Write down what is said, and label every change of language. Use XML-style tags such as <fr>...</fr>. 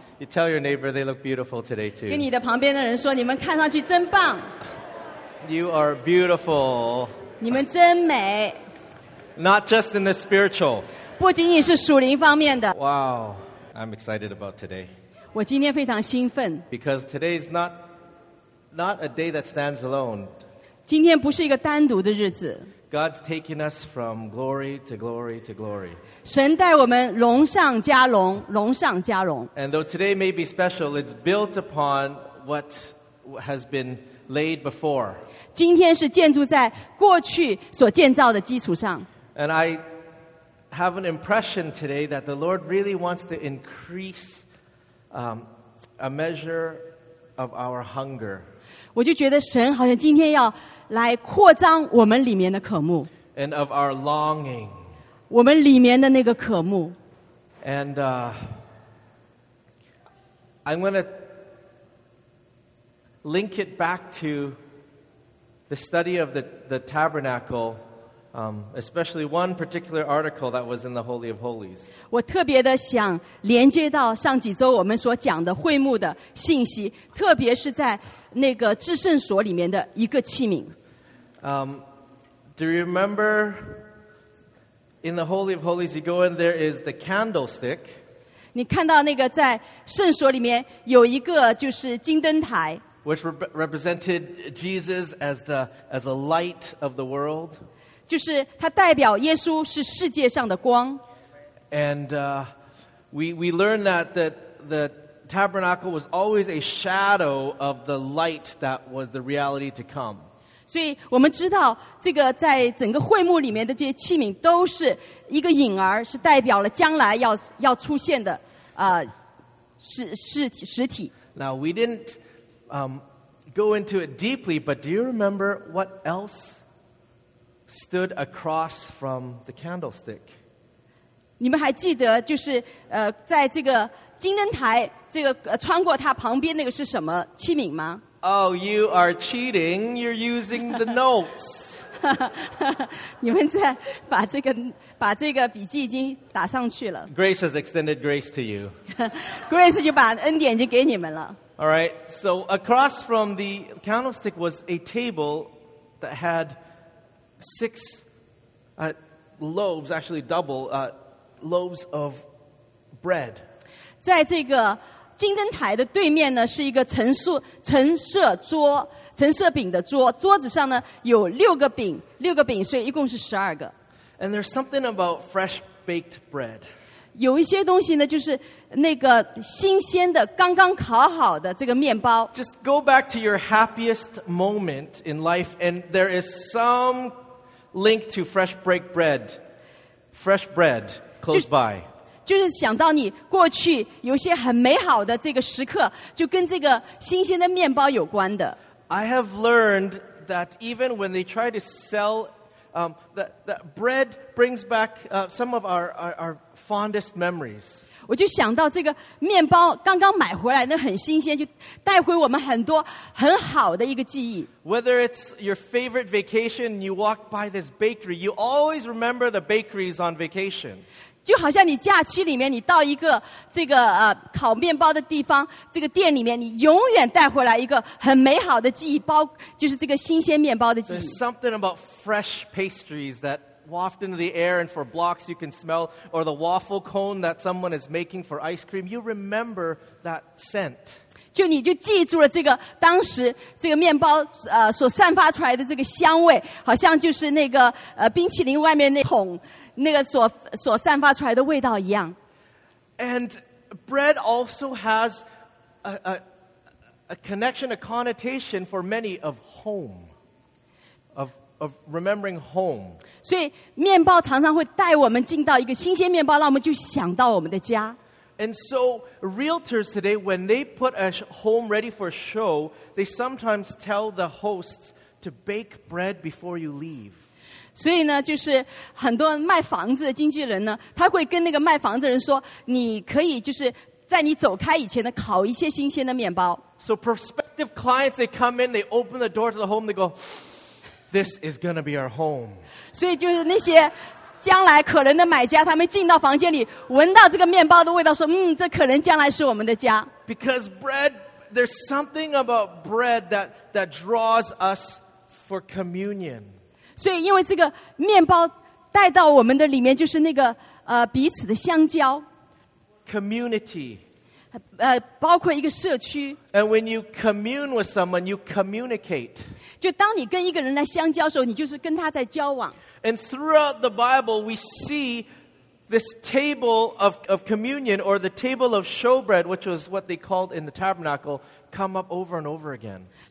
<en>You tell your neighbor they look beautiful today too.</en> <zh>跟你的旁边的人说，你们看上去真棒。</zh> <en>You are beautiful.</en> <zh>你们真美。</zh> <en>Not just in the spiritual.</en> <zh>不仅仅是属灵方面的。</zh> <en>Wow, I'm excited about today.</en> <zh>我今天非常兴奋。</zh> <en>Because today is not a day that stands alone.</en> <zh>今天不是一个单独的日子。</zh> <en>God's taking us from glory to glory to glory.</en> <zh>神带我们荣上加荣，荣上加荣。</zh> <en>And though today may be special, it's built upon what has been laid before.</en> <zh>今天是建筑在过去所建造的基础上。</zh> <en>And I have an impression today that the Lord really wants to increase, a measure of our hunger.</en> <zh>我就觉得神好像今天要来扩张我们里面的渴慕</zh> <en>and of our longing</en> <zh>我们里面的那个渴慕</zh> <en>and I'm going to link it back to the study of the tabernacle especially one particular article that was in the Holy of Holies</en> <zh>我特别的想连接到上几周我们所讲的会幕的信息特别是在那个至圣所里面的一个器皿。</zh> <en>Do you remember in the Holy of Holies, you go in there is the candlestick.</en> <zh>你看到那个在圣所里面有一个就是金灯台。</zh> <en>Which represented Jesus as a light of the world.</en> <zh>就是它代表耶稣是世界上的光。</zh> <en>And we learn that Tabernacle was always a shadow of the light that was the reality to come.</en> <zh>所以我们知道这个在整个会幕里面的这些器皿都是一个影儿是代表了将来要出现的实体。</zh> <en>Now we didn't go into it deeply, but do you remember what else stood across from the candlestick?</en> <zh>你们还记得就是在这个金灯台这个穿过它旁边那个是什么器皿吗</zh> <en>？Oh, you are cheating. You're using the notes.</en> <zh>你们在把这个笔记已经打上去了。</zh> <en>Grace has extended grace to you.</en> <zh>Grace 就把恩典已经给你们了。</zh> <en>All right. So across from the candlestick was a table that had six loaves, actually double loaves of bread.</en> <zh>在这个金灯台的对面呢是一个橙色饼的桌桌子上呢有六个饼所以一共是十二个</zh> <en>And there's something about fresh baked bread</en> <zh>有一些东西呢就是那个新鲜的刚刚烤好的这个面包</zh> <en>Just go back to your happiest moment in life and there is some link to fresh bread close by</en> <zh>就是想到你过去有些很美好的这个时刻就跟这个新鲜的面包有关的</zh> <en>I have learned that even when they try to sell that bread brings back some of our fondest memories</en> <zh>我就想到这个面包刚刚买回来那很新鲜就带回我们很多很好的一个记忆</zh> <en>Whether it's your favorite vacation you walk by this bakery you always remember the bakeries on vacation</en> <zh>就好像你假期里面你到一个这个烤面包的地方这个店里面你永远带回来一个很美好的记忆包就是这个新鲜面包的记忆</zh> <en>There's something about fresh pastries that waft into the air and for blocks you can smell or the waffle cone that someone is making for ice cream you remember that scent</en> <zh>就你就记住了这个当时这个面包所散发出来的这个香味好像就是那个冰淇淋外面那桶那个所散发出来的味道一样。</zh> <en>And bread also has a connection, a connotation for many of home, of remembering home.</en> <zh>所以面包常常会带我们进到一个新鲜面包，让我们就想到我们的家。</zh> <en>And so realtors today, when they put a home ready for show, they sometimes tell the hosts to bake bread before you leave.</en> <zh>所以呢就是很多卖房子的经纪人呢他会跟那个卖房子人说你可以就是在你走开以前呢烤一些新鲜的面包</zh> <en>So prospective clients they come in they open the door to the home they go this is going to be our home.</en> <zh>所以就是那些将来可能的买家，他们进到房间里，闻到这个面包的味道，说，嗯，这可能将来是我们的家。</zh> <en>Because bread, there's something about bread that draws us for communion.</en> <zh>所以因为这个面包带到我们的里面，就是那个彼此的相交。</zh> <en>Community.</en> <zh>包括一个社区。</zh> <en>And when you commune with someone, you communicate.</en> <zh>就当你跟一个人来相交的时候，你就是跟他在交往。</zh> <en>And throughout the Bible, we see this table of communion, or the table of showbread, which was what they called in the tabernacle, come up over and over again.</en>